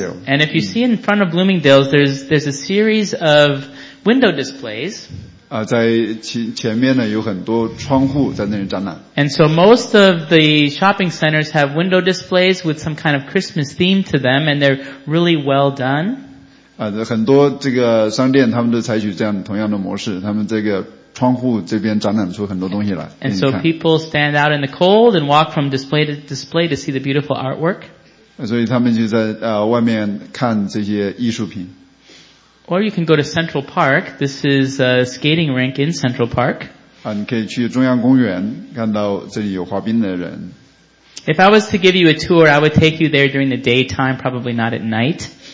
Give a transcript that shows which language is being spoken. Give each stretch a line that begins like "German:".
English: And if you see in front of Bloomingdale's, there's a series of window displays.
Chinese: 在前面呢有很多窗户在那里展览。
English: And so most of the shopping centers have window displays with some kind of Christmas theme to them, and they're really well done.
Chinese: 很多这个商店他们都采取这样同样的模式，他们这个窗户这边展览出很多东西来。
English: And so people stand out in the cold and walk from display to display to see the beautiful artwork.
Chinese: 所以他们就在外面看这些艺术品。
English: Or you can go to Central Park. This is a skating rink in Central Park.
Chinese: 你可以去中央公园，看到这里有滑冰的人。
English: If I was to give you a tour, I would take you there during the daytime, probably not at night.